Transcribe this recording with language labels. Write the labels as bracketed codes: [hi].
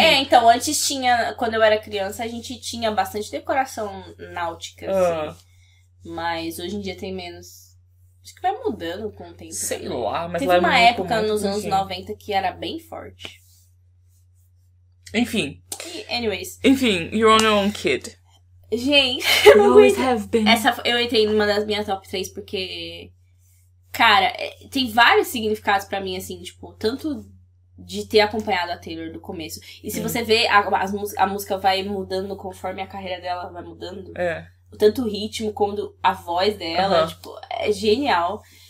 [pt] É, então, antes tinha... Quando eu era criança, a gente tinha bastante decoração náutica, assim. Mas hoje em dia tem menos. Acho que vai mudando com o tempo. Sei lá, mas... Teve uma época nos anos 90 que era bem forte. Enfim. [en] Anyways. Enfim, you're on your own, kid. Gente, you always have been. [pt] Essa eu entrei numa das minhas top 3 porque, cara, tem vários significados pra mim, assim, tipo, tanto de ter acompanhado a Taylor do começo. E se você vê, a música vai mudando conforme a carreira dela vai mudando. É. Tanto o ritmo quanto a voz dela, tipo, é genial.